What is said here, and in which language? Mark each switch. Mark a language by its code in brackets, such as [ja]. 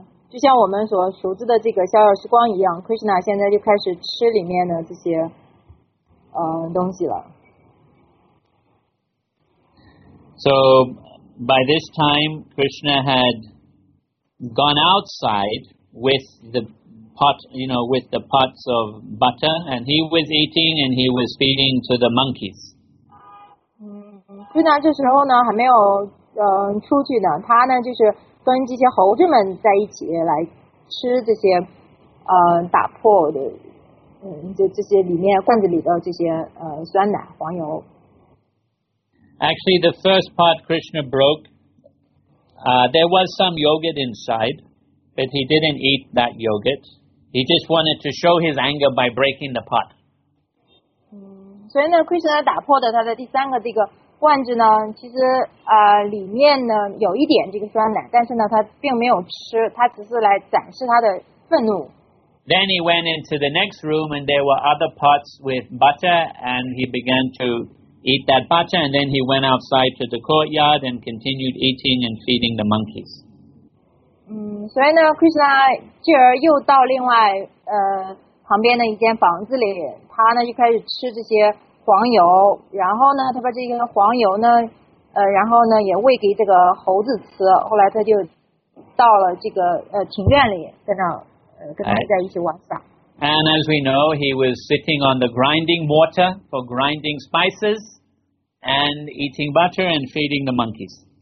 [zh] 就像我们所熟知的这个逍遥时光一样 ，Krishna 现在就开始吃里面的这些东西了。 [en] So by this time, Krishna had gone outside with the pot, you know, with the pots of butter, and he was eating and he was feeding to the monkeys. [zh] Krishna 这时候呢还没有出去呢，他呢就是。跟这些猴子们在一起来吃这些打破的这些里面罐子里的这些酸奶黄油。 [en] Actually, the first pot Krishna broke, there was some yogurt inside, but he didn't eat that yogurt. He just wanted to show his anger by breaking the pot. [zh] 所以呢 ，Krishna 打破的他的第三个这个。罐子呢，其实里面呢有一点这个酸奶，但是呢他并没有吃，他只是来展示他的愤怒。 [en] Then he went into the next room and there were other pots with butter and he began to eat that butter and then he went outside to the courtyard and continued eating and feeding the monkeys. [zh] 所以呢 ，Krishna 继而又到另外旁边的一间房子里，他呢就开始吃这些。黄油，然后呢，他把这个黄油呢，然后呢也喂给这个猴子吃。后来他就到了这个庭院里，在那跟他们在一起玩耍。 [en] And as we know, he was sitting on the grinding mortar for grinding spices and eating butter and feeding the monkeys.